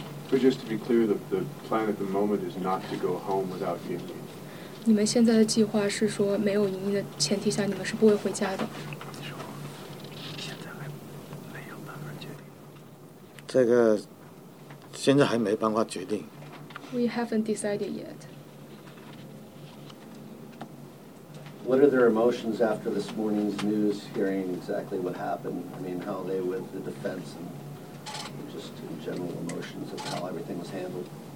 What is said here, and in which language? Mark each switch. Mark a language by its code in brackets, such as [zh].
[en] But just to be clear, the plan at the moment is not to go home without Ying Ying. [zh] 你们现在的计划是说没有莹莹的前提下，你们是不会回家的。这个现在还没办法决定。 [en] We haven't decided yet. What are their emotions after this morning's news, hearing exactly what happened? I mean, how they with the defense and just in general emotions of how everything was handled?